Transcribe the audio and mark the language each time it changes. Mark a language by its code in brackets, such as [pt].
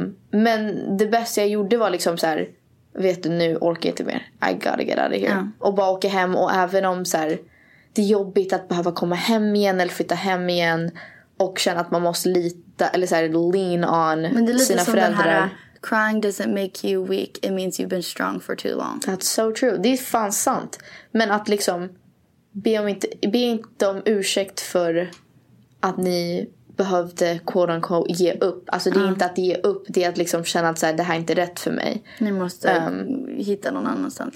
[sv] Men det bästa jag gjorde var liksom så här, vet du, nu orkar jag inte mer. [en] I gotta get out of here. Yeah. [sv] Och bara åka hem. Och även om så här, det är jobbigt att behöva komma hem igen eller flytta hem igen och känna att man måste lita eller så här, lean on sina föräldrar. den här, [en] crying doesn't make you weak, it means you've been strong for too long. That's so true. [sv] Det är fan sant. Men att liksom be inte om ursäkt för att ni behövde quote unquote ge upp. Alltså det är inte att ge upp, det är att liksom känna att så här, det här är inte rätt för mig. Ni måste hitta någon annanstans.